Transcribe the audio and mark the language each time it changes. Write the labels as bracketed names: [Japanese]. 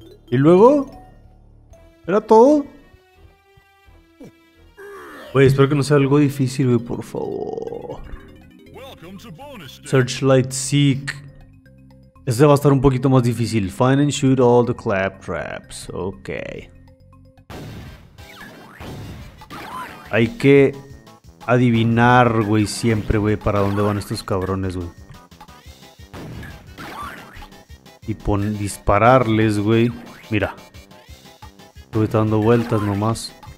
[Spanish] ¿Y luego? ¿Era todo? Güey, espero que no sea algo difícil, güey, por favor. Searchlight Seek. Este va a estar un poquito más difícil. [English] Find and shoot all the claptraps. [Spanish] Hay que adivinar, güey, siempre, güey, para dónde van estos cabrones, güey. Y pon dispararles, güey. Mira. Estoy dando vueltas nomás.